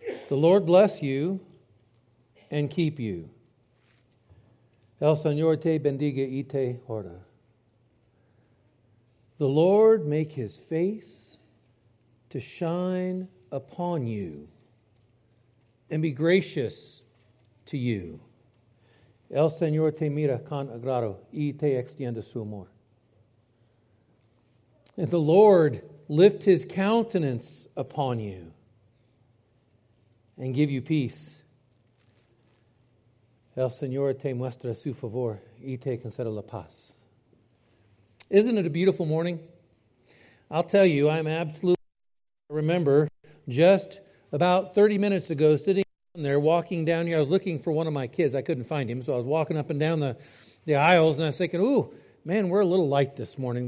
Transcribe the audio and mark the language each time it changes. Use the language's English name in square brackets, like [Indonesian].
[English] The Lord bless you and keep you. [Spanish] El Señor te bendiga y te guarda. [English] The Lord make his face to shine upon you and be gracious to you. [Spanish] El Señor te mira con agrado y te extiende su amor. [English] And the Lord lift his countenance upon you and give you peace. [Spanish] El Señor te muestra su favor y te concede la paz. [English] Isn't it a beautiful morning? I'll tell you, I'm absolutely, I remember just about 30 minutes ago sitting down there walking down here. I was looking for one of my kids. I couldn't find him. So I was walking up and down the aisles and I was thinking, ooh, man, we're a little light this morning.